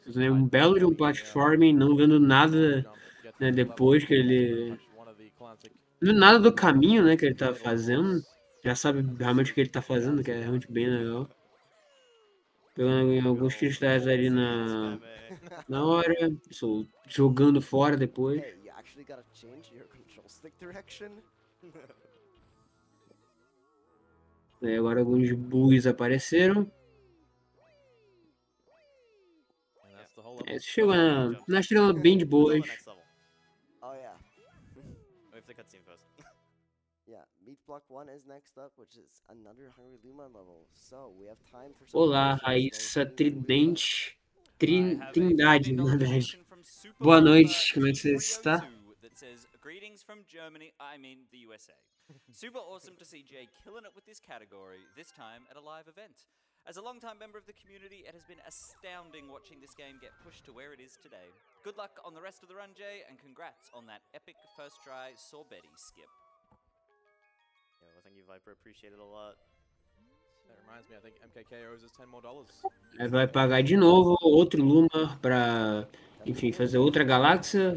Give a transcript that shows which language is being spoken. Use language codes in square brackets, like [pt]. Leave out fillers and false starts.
[pt] Um belo de um platforming, não vendo nada, né, depois que ele... Não vendo nada do caminho, né, que ele tá fazendo. Já sabe realmente o que ele tá fazendo, que é realmente bem legal. Pegando alguns cristais ali na hora, só jogando fora depois. [en] Hey, you actually gotta change your control stick direction. [pt] Aí agora alguns bugs apareceram. É, isso chegou na estrela bem de boas. [en] Oh yeah. Wait for the cutscene first. Yeah, Meat Block 1 is next up, which is another Hungry Luma level. So, we have time for some... [pt] Olá, Raíssa Tridente. Trindade, na verdade. Boa noite, como é que você está? [en] ...that says, greetings from Germany, I mean the USA. Super awesome to see Jay killing it with this category, this time at a live event. As a longtime member of the community, it has been astounding watching this game get pushed to where it is today. Good luck on the rest of the run, Jay, and congrats on that epic first try sorbetti skip. Yeah, well, thank you, Viper. Appreciate it a lot. That reminds me, I think MKK owes us $10 more. [pt] Vai pagar de novo outro Luma pra, enfim, fazer outra galáxia.